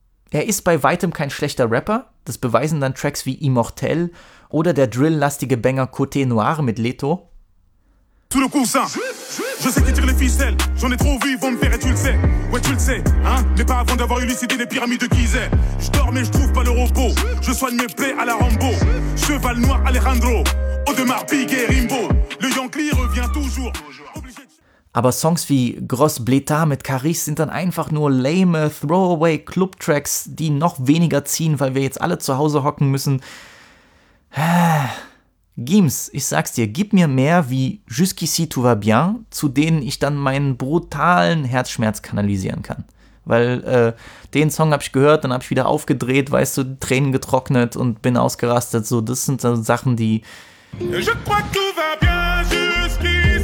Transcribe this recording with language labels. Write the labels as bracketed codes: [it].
[de] Er ist bei weitem kein schlechter Rapper, das beweisen dann Tracks wie Immortel oder der drill-lastige Banger Côté Noir mit Leto. [fr] Tout le cousin, je sais qui tire les ficelles, j'en ai trop vu, vont me faire et tu le sais, ouais tu le sais, hein, mais pas avant d'avoir eu l'idée des pyramides de Gizeh. Je dors mais je trouve pas le repos, je soigne mes plaies à la Rambo, cheval noir Alejandro, Audemars Piguet Rimbo, le Yankee revient toujours. [de] Aber Songs wie Gros Blétard mit Caris sind dann einfach nur [en] lame throwaway [de] Club-Tracks, die noch weniger ziehen, weil wir jetzt alle zu Hause hocken müssen. Gims, ich sag's dir, gib mir mehr wie Jusqu'ici tout va bien, zu denen ich dann meinen brutalen Herzschmerz kanalisieren kann. Weil den Song habe ich gehört, dann habe ich wieder aufgedreht, weißt du, Tränen getrocknet und bin ausgerastet. So, das sind so Sachen, die... [fr] Je crois que tout va bien.